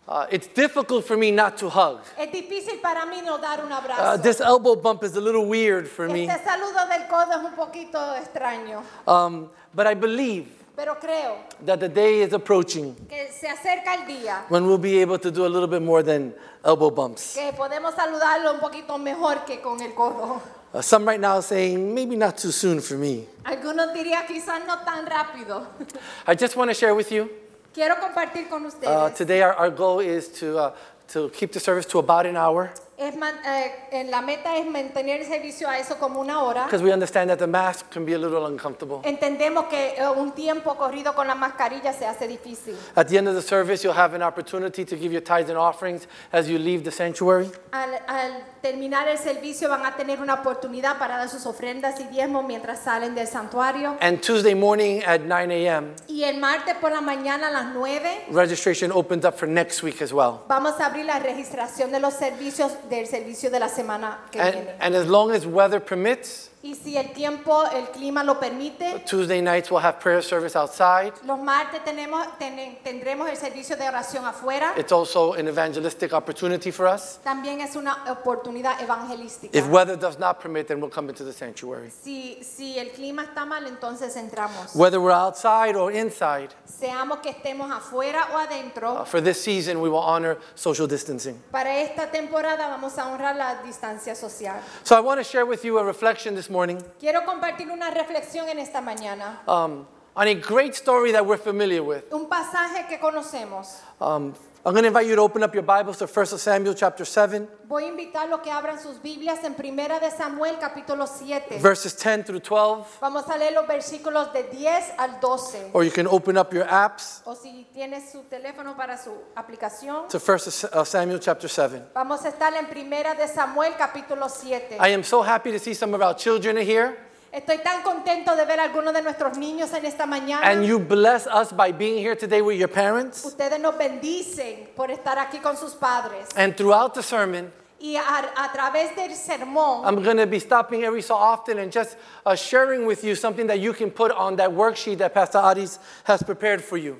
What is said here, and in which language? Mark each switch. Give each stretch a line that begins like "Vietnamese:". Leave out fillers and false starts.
English: It's difficult for me not to hug.
Spanish: Es difícil para mí no dar un abrazo.
English: This elbow bump is a little weird for me.
Spanish: Este saludo del codo es un poquito extraño.
English: But I believe.
Spanish: Pero creo.
English: That the day is approaching.
Spanish: Que se acerca el día.
English: When we'll be able to do a little bit more than elbow bumps.
Spanish: Que podemos saludarlo un poquito mejor que con el codo.
English: Some right now saying, maybe not too soon for me.
Spanish: Algunos diría quizás no tan rápido.
English: I just want to share with you.
Spanish: Quiero compartir con ustedes.
English: Today our goal is to keep the service to about an hour.
Spanish: La meta es mantener el servicio a eso como una hora.
English: Because we understand that the mask can be a little uncomfortable.
Spanish: Entendemos que un tiempo corrido con la mascarilla se hace difícil.
English: At the end of the service, you'll have an opportunity to give your tithes and offerings as you leave the sanctuary.
Spanish: Al terminar el servicio, van a tener una oportunidad para dar sus ofrendas y diezmos mientras salen del santuario.
English: And Tuesday morning at 9 a.m.
Spanish: Y el martes por la mañana a las 9.
English: Registration opens up for next week as well.
Spanish: Vamos a abrir la registración de los servicios del servicio de la semana que viene.
English: And as long as weather permits,
Spanish: y si el tiempo, el clima lo permite,
English: Tuesday nights we'll have prayer service outside.
Spanish: Los martes tendremos el servicio de oración afuera.
English: It's also an evangelistic opportunity for us.
Spanish: También es una oportunidad evangelística.
English: If weather does not permit, then we'll come into the sanctuary.
Spanish: Si el clima está mal, entonces entramos.
English: Whether we're outside or inside,
Spanish: seamos que estemos afuera o adentro,
English: for this season we will honor social distancing.
Spanish: Para esta temporada vamos a honrar la distancia social.
English: So I want to share with you a reflection this morning.
Spanish: Quiero compartir una reflexión en esta mañana.
English: On a great story that we're familiar with.
Spanish: Un pasaje que conocemos.
English: I'm going to invite you to open up your Bibles to 1 Samuel chapter 7.
Spanish: Voy a invitarlo que abran sus Biblias en 1 de Samuel capítulo 7.
English: Verses 10 through 12.
Spanish: Vamos a leer los versículos de 10 al 12.
English: Or you can open up your apps.
Spanish: O si tienes su teléfono para su aplicación.
English: To 1 Samuel chapter 7.
Spanish: Vamos a estar en 1 de Samuel capítulo 7.
English: I am so happy to see some of our children here.
Spanish: Estoy tan contento de ver a algunos de nuestros niños en esta mañana.
English: And you bless us by being here today with your parents.
Spanish: Ustedes nos bendicen por estar aquí con sus padres.
English: And throughout the sermon,
Spanish: y a través del sermón,
English: I'm going to be stopping every so often and just sharing with you something that you can put on that worksheet that Pastor Aris has prepared for you.